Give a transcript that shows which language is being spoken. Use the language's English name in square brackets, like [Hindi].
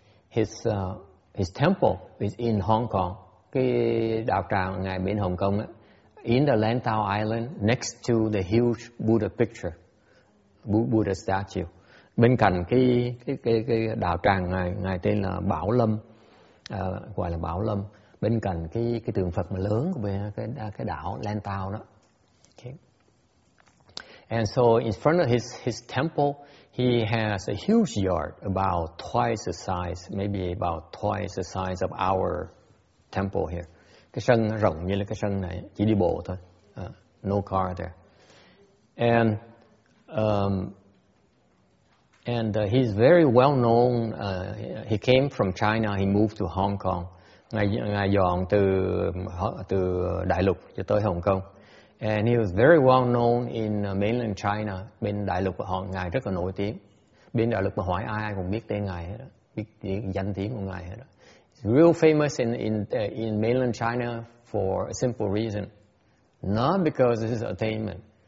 [English] His temple is in Hong Kong. [Vietnamese] Cái đạo tràng của ngài bên Hồng Kông ấy, [English] in the Lantau Island next to the huge Buddha picture, Buddha statue. [Vietnamese] Bên cạnh cái đạo tràng ngài tên là Bảo Lâm, gọi là Bảo Lâm, bên cạnh cái tượng Phật mà lớn của cái đảo Lantau đó. [English] And so in front of his temple, he has a huge yard about twice the size, maybe about twice the size of our temple here. [Vietnamese] Cái sân rộng như là cái sân này, chỉ đi bộ thôi. [English] No car there. And he's very well known. He came from China. He moved to Hong Kong. [Vietnamese] Ngài dọn từ Đại Lục cho tới Hồng Kông. [English] And he was very well known in mainland China. [Vietnamese] Bên Đại Lục họ ngài rất là nổi tiếng. Bên Đại Lục mà hỏi ai cũng biết tên ngài hết, biết danh tiếng của ngài hết. [English] Real famous in mainland China for a simple reason, not because of his attainment.